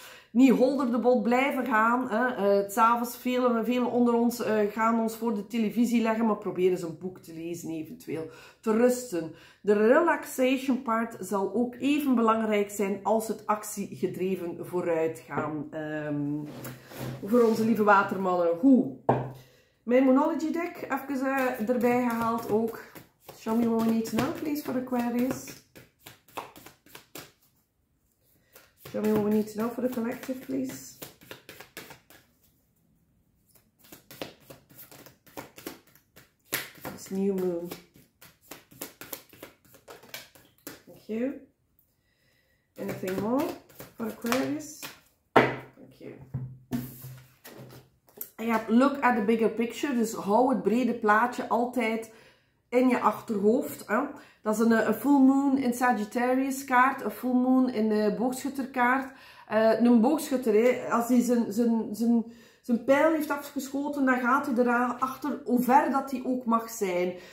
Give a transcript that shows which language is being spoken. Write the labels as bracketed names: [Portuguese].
[Dutch] Niet holder de bot blijven gaan. S'avonds, velen onder ons gaan ons voor de televisie leggen, maar proberen eens een boek te lezen eventueel. Te rusten. De relaxation part zal ook even belangrijk zijn als het actiegedreven vooruitgaan. Voor onze lieve watermannen. Hoe? Mijn Moonology deck, even erbij gehaald ook. [English] Show me what we need to know, please, for Aquarius. Show me what we need to know for the collective, please. It's new moon. Thank you. Anything more for Aquarius? Thank you. Ja, look at the bigger picture. [Dutch] Dus hou het brede plaatje altijd in je achterhoofd. Hè? Dat is een full moon in Sagittarius kaart, een full moon in een boogschutter kaart. Een boogschutter, hè, als hij zijn pijl heeft afgeschoten, dan gaat hij erachter hoe ver dat hij ook mag zijn.